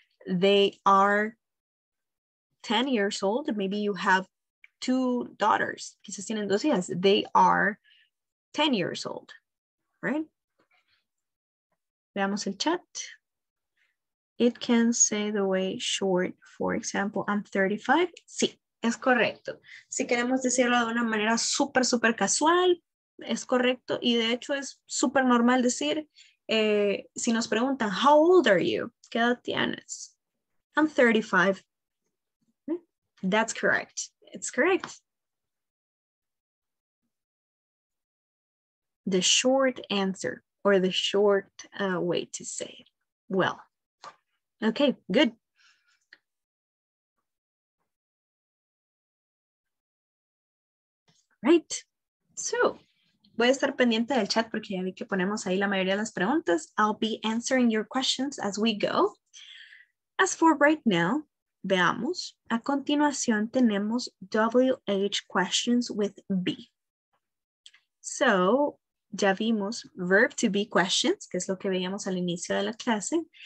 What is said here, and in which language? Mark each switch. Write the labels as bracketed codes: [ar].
[en] They are 10 years old, maybe you have two daughters. [es] Quizás tienen dos hijas. [en] They are 10 years old, right? [es] Veamos el chat. [en] It can say the way short, for example, I'm 35. [es] Sí, es correcto. Si queremos decirlo de una manera súper, súper casual, es correcto. Y de hecho es súper normal decir, si nos preguntan, [en] how old are you? [es] ¿Qué edad tienes? [en] I'm 35. That's correct. It's correct. The short answer or the short way to say it. Well, okay, good. Right. [es] So, voy a estar pendiente del chat porque ya vi que ponemos ahí la mayoría de las preguntas. [en] I'll be answering your questions as we go. As for right now, [es] veamos, a continuación tenemos [en] WH questions with be. [es] So, ya vimos [en] verb to be questions, [es] que es lo que veíamos al inicio de la clase.